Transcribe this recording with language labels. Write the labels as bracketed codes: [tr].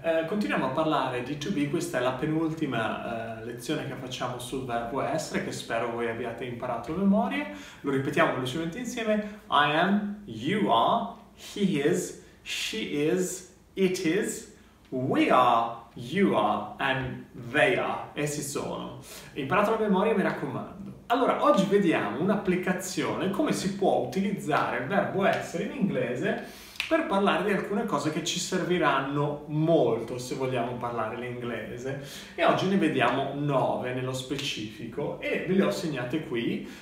[it] Continuiamo a parlare di to be, questa è la penultima lezione che facciamo sul verbo essere, che spero voi abbiate imparato a memoria. Lo ripetiamo velocemente insieme. [en] I am, you are, he is, she is, it is, we are, you are, and they are. [it] Essi sono. Imparato a memoria, mi raccomando. Allora, oggi vediamo un'applicazione, come si può utilizzare il verbo essere in inglese per parlare di alcune cose che ci serviranno molto se vogliamo parlare l'inglese. E oggi ne vediamo 9 nello specifico e ve le ho segnate qui.